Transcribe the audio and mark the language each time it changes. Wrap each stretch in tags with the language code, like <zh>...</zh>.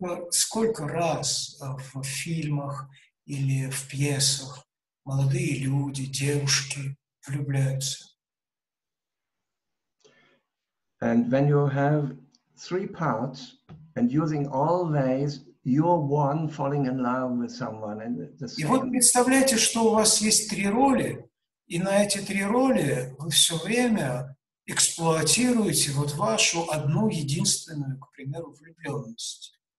<ru>Сколько раз в фильмах или в пьесах молодые люди, девушки влюбляются?</ru> <en>And when you have 3 parts and using all ways, you're one falling in love with someone. And the same.</en> <ru>И вот представляете, что у вас есть 3 роли, и на эти 3 роли вы все время эксплуатируете вот вашу одну единственную, к примеру, влюбленность.</ru>